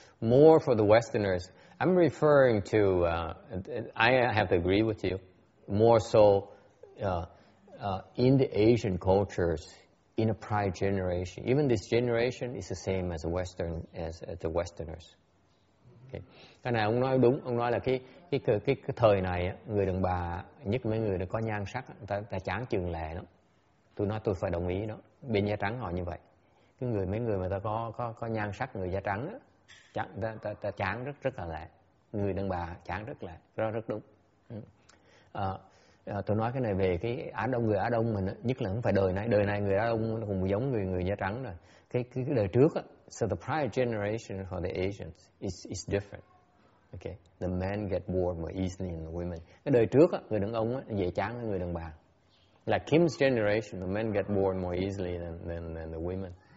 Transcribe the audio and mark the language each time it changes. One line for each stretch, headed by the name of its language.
English: More for the Westerners. I'm referring to, I have to agree with you, more so in the Asian cultures, in a prior generation. Even this generation is the same as the Westerners. Okay.
Vietnamese: Cái này ông nói đúng, ông nói là cái thời này người đàn bà, nhất mấy người có nhan sắc, ta chán trường lệ lắm. Tôi nói tôi phải đồng ý đó, bên da trắng họ như vậy. Cái người mấy người mà ta có nhan sắc người da trắng, ta chán rất là lệ. Người đàn bà chán rất là lệ, rất đúng. Tôi nói cái này về cái Á Đông, người Á Đông mình nhất là không phải đời này người Á Đông nó cũng giống người da trắng rồi. Cái đời trước á,
English: so the prior generation for the Asians is different. Okay, the men get bored more easily than the women.
Vietnamese: Cái đời trước á, người đàn ông á, dễ chán hơn người đàn bà.
English: Like Kim's generation, the men get bored more easily than the women.